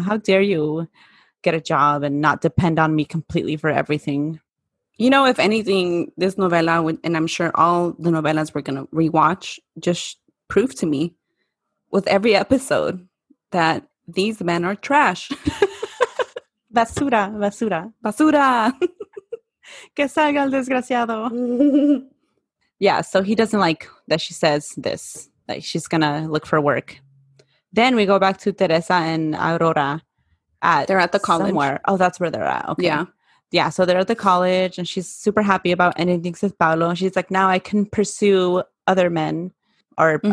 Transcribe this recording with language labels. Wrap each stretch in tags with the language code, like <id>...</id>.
<en>How dare you get a job and not depend on me completely for everything? You know, if anything, this novella would, and I'm sure all the novellas we're going to rewatch just prove to me with every episode that these men are trash.</en> <es>Basura, basura, basura. Que salga el desgraciado.</es> <en>Yeah, so he doesn't like that she says this. Like she's going to look for work. Then we go back to Teresa and Aurora. They're at the college. Somewhere. Oh, that's where they're at. Okay. Yeah. Yeah, so they're at the college and she's super happy about anything with Paolo. She's like, now I can pursue other men or, mm-hmm.</en>